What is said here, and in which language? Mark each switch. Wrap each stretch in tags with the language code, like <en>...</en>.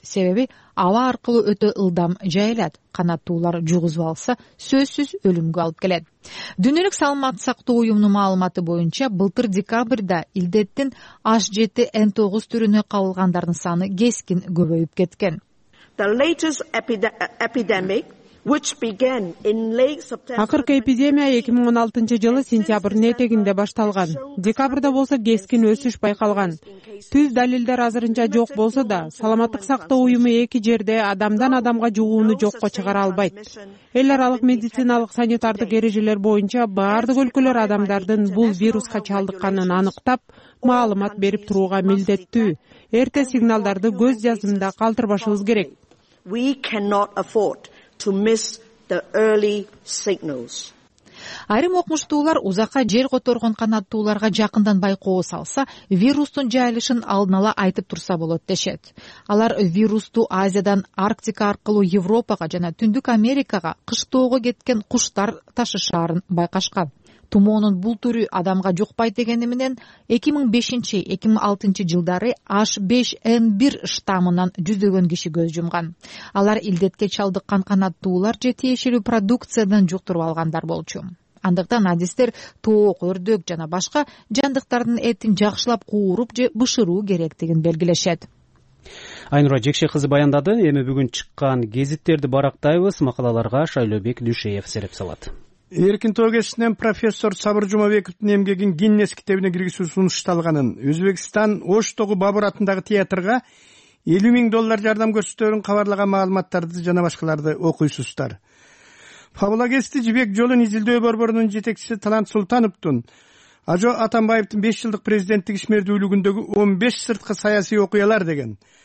<ky>Себеби аба аркылуу өтө ылдам жайылат. Канаттуулар жугузуп алса, сөзсүз өлүмгө алып келет. Дүйнөлүк саламат сактоо уюмунун маалыматы боюнча, былтыр декабрда илдеттин H7N9 түрүнө кабылгандардын саны кескин көбөйүп кеткен.</ky> <en>The latest epidemic which began in late September.</en> <ky>Акыркы эпидемия 2016 жылы сентябрдын этегинде башталган. Декабрда болсо кескин өсүш байкалган. Түз далилдер азырынча жок болсо да, саламаттык сактоо уюму эки жерде адамдан адамга жугууну жокко чыгара албайт. Эл аралык медициналык санитардык эрежелер боюнча баардык өлкөлөр адамдардын бул вируска чалдыкканын аныктап, маалымат берип турууга милдеттүү. Эрте сигналдарды көз жазымда калтырбашыбыз керек.</ky> <en>We cannot afford to miss the early signals.</en> <ky>Айрым окумуштуулар узакка жер которгон канаттууларга жакындан байкоо салса, вирустун жайылышын алдын ала айтып турса болот дешет. Алар вирусту Азиядан Арктика аркылуу Европага жана Түндүк Америкага кыштоого кеткен куштар ташышаарын байкашкан. Тумоонун бул түрү адамга жукпайт дегени менен 2005-2006 жылдары H5N1 штаммынан жүздөгөн киши көз жумган. Алар илдетке чалдыккан канаттуулар же тиешелүү продукциядан жуктуруп алгандар болчу. Андыктан адистер тоок, өрдөк жана башка жандыктардын этин жакшылап кууруп же бышыруу керектигин белгилешет. Айнура Жекше кызы баяндады. Эми бүгүн чыккан гезиттерди барактайбыз. Макалаларга Шайлообек Дүшеев серип салат. Эркин Тоо гезитинен профессор Сабыр Жумабековдун эмгегин Гиннес китебине киргизүү сунушталганын, Өзбекстан Оштогу Бабур атындагы театрга $50,000 жардам көрсөтөрүн кабарлаган маалыматтарды жана башкаларды окуйсуздар. Фабула гезити Жибек жолун изилдөө борборунун жетекчиси Талант Султановдун Ажо Атамбаевдин 5 жылдык президенттик ишмердүүлүгүндөгү 15 сырткы саясий окуялар деген,</ky>